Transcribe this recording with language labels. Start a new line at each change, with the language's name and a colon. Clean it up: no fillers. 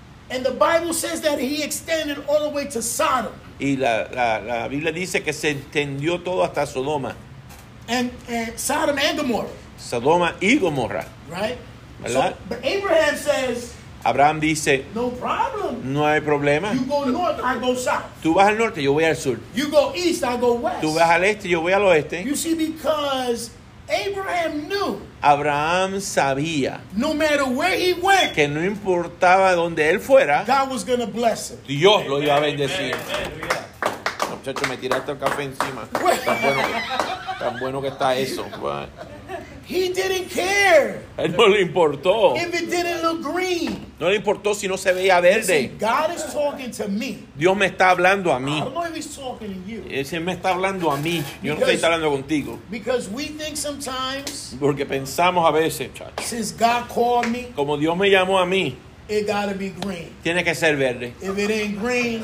English: And the Bible says that he extended all the way to Sodom.
Spanish: Y la Biblia dice que se extendió todo hasta Sodoma.
English: And Sodom and Gomorrah.
Spanish: Sodoma y Gomorra.
English: Right?
Spanish: ¿Verdad?
English: But Abraham says.
Spanish: Abraham dice,
English: no problem.
Spanish: No hay problema.
English: You go north, I go south.
Spanish: Tú vas al norte, yo voy al sur.
English: You go east, I go west.
Spanish: Tú vas al este, yo voy al oeste.
English: You see, because Abraham knew.
Spanish: Abraham sabía.
English: No matter where he went,
Spanish: que no importaba donde él fuera,
English: God was going to bless him.
Spanish: Dios lo iba a bendecir. Amen, amen. Muchacho, me tiraste el café encima. Tan bueno que está eso.
English: He didn't care.
Spanish: Él no le importó.
English: If it didn't look green.
Spanish: No le importó si no se veía verde.
English: God is talking to me.
Spanish: Dios me está hablando a mí.
English: I don't know if he's talking to you.
Spanish: Él me está hablando a mí. Yo no estoy hablando contigo.
English: Because we think sometimes.
Spanish: Porque pensamos a veces, chacho.
English: Since God called me.
Spanish: Como Dios me llamó a mí.
English: It gotta be green.
Spanish: Tiene que ser verde.
English: If it ain't green,